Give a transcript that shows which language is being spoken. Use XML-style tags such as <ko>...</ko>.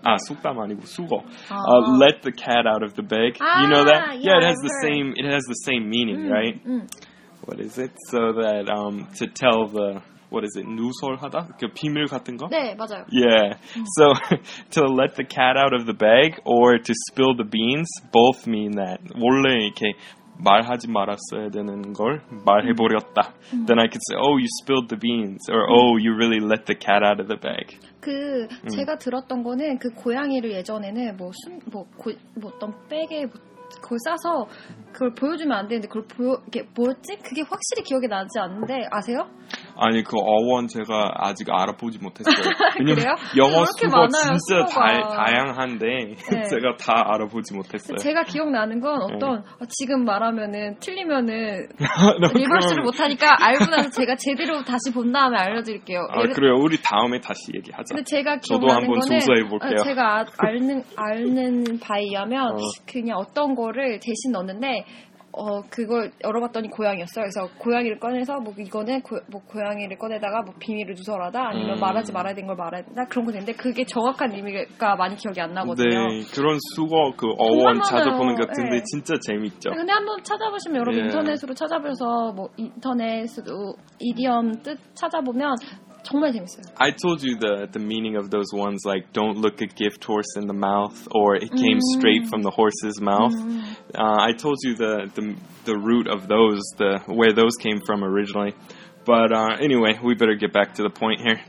<ko>속담 아니고 수거.</ko> <en>Let the cat out of the bag. You know that? Yeah, it has the same meaning, right? What is it? So that, to tell the, what is it?</en> <ko>누설하다? 그 비밀 같은 거? 네, 맞아요. Yeah.</ko> <en>So, to let the cat out of the bag or to spill the beans, both mean that.</en> <ko>원래 이렇게 말하지 말았어야 되는 걸 말해버렸다.</ko> <en>Then I could say, oh, you spilled the beans. Or, oh, you really let the cat out of the bag.</en> <ko>그 제가 들었던 거는 그 고양이를 예전에는 뭐 어떤 백에 그걸 싸서 그걸 보여주면 안 되는데 그걸 이게 뭐였지? 그게 확실히 기억이 나지 않는데 아세요? 아니 그 어원 제가 아직 알아보지 못했어요. 그래요? 영어 수거 진짜 다양한데 네. 제가 다 알아보지 못했어요. 제가 기억나는 건 어떤 네. 지금 말하면은 틀리면은 리버스를 못하니까 알고 나서 제가 제대로 다시 본 다음에 알려드릴게요. 그래요? 우리 다음에 다시 얘기하자. 근데 제가 저도 한번 조사해볼게요. 제가 아는 바에 의하면 그냥 어떤 거를 대신 넣는데 그걸 열어봤더니 고양이였어요. 그래서 고양이를 꺼내서 뭐 이거는 고양이를 꺼내다가 뭐 비밀을 누설하다 아니면 말하지 말아야 되는 걸 말해야 된다 그런 거 되는데 그게 정확한 의미가 많이 기억이 안 나거든요. 네, 그런 수거 그 어원 찾아보는 것 같은데 네. 진짜 재밌죠. 근데 한번 찾아보시면 여러분 예. 인터넷으로 찾아보셔서 뭐 인터넷으로 이디엄 뜻 찾아보면 정말 재밌어요.</ko> <en>I told you the meaning of those ones like don't look a gift horse in the mouth or it came straight from the horse's mouth. I told you the root of those, where those came from originally. But anyway, we better get back to the point here.</en>